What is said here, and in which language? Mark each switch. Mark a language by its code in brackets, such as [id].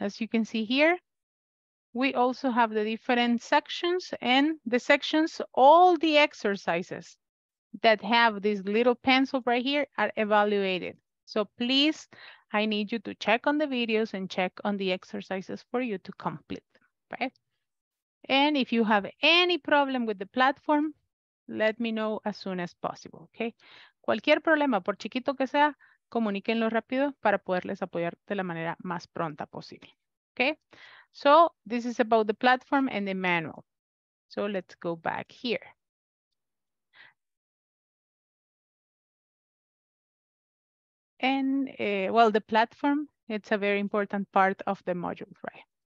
[en] As you can see here, we also have the different sections and the sections, all the exercises that have this little pencil right here are evaluated. So please, I need you to check on the videos and check on the exercises for you to complete them, right? And if you have any problem with the platform, let me know as soon as possible, okay? [es] Cualquier problema, por chiquito que sea, comuníquenlo rápido para poderles apoyar de la manera más pronta posible, okay? [en] So this is about the platform and the manual. So let's go back here. And well, the platform, it's a very important part of the module, right?